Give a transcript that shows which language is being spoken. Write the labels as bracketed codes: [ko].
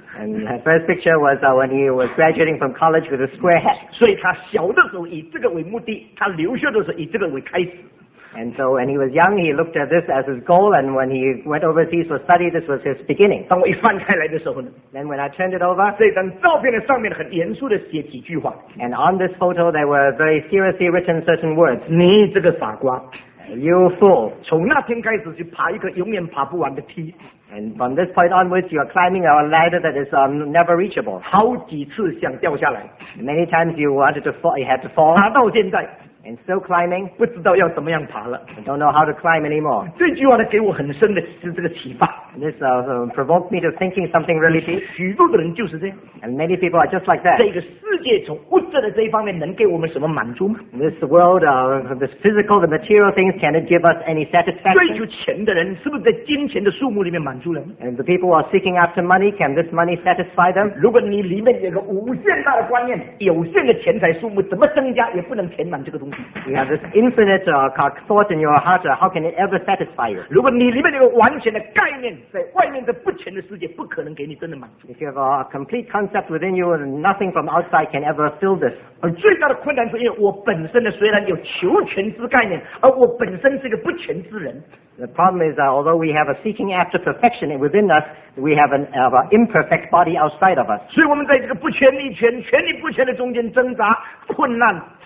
[en] And the first picture was when he was graduating from college with a square hat. [zh] 所以他小的时候以这个为目的, 他留学的时候以这个为开始。 [en] And so when he was young, he looked at this as his goal, and when he went overseas for study, this was his beginning. Then when I turned it over, and on this photo, there were very seriously written certain words. [zh] 你这个傻瓜, [en] you fool. [zh] 从那天开始去爬一个永远爬不完的梯, [en] and from this point onwards, you are climbing a ladder that is never reachable. [zh] 好几次想掉下来, [en] many times you wanted to fall, you had to fall. [zh] 爬到现在, [en] and still climbing, [zh] 不知道要怎么样爬了, [en] don't know how to climb anymore. [zh] 这句话呢给我很深的这个启发, [en] this provoked me to thinking something really deep. [zh] 许多的人就是这样, [en] and many people are just like that. [zh] 这个世界从物质的这一方面能给我们什么满足吗? [en] This world, this physical, the material things, can it give us any satisfaction? [zh] 追求钱的人是不是在金钱的数目里面满足了? [en] And the people who are seeking after money, can this money satisfy them? [zh] 如果你里面有个无限大的观念，有限的钱财数目怎么增加也不能填满这个。 [en] You have this infinite thought in your heart, how can it ever satisfy you? [zh] 如果你里面有完全的概念，在外面的不全的世界，不可能给你真的满足。 [en] If you have a complete concept within you, nothing from outside can ever fill this. [zh] 而最大的困难是因为我本身的虽然有求全之概念，而我本身是个不全之人。 [en] The problem is that although we have a seeking after perfection within us, we have an imperfect body outside of us. [zh] 所以我们在这个不全力全力不全的中间挣扎困难。